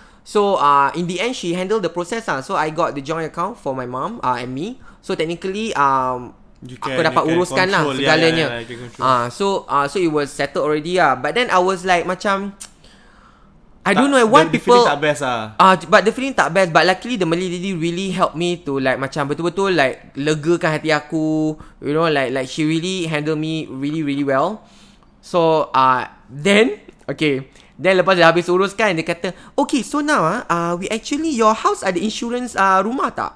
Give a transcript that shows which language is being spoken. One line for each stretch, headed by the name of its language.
English: So in the end she handled the process lah. So I got the joint account for my mom and me.
Malay: So technically aku dapat uruskan lah segalanya.
English: So it was settled already lah. But then I was like macam the feeling tak best. But luckily the Malay lady really helped me to like macam betul-betul like
Malay: legakan hati aku,
English: you know, like she really handled me really really well.
Malay: So then lepas dah habis uruskan, dia kata,
English: okay, so now we actually, your house
Malay: ada insurance rumah tak?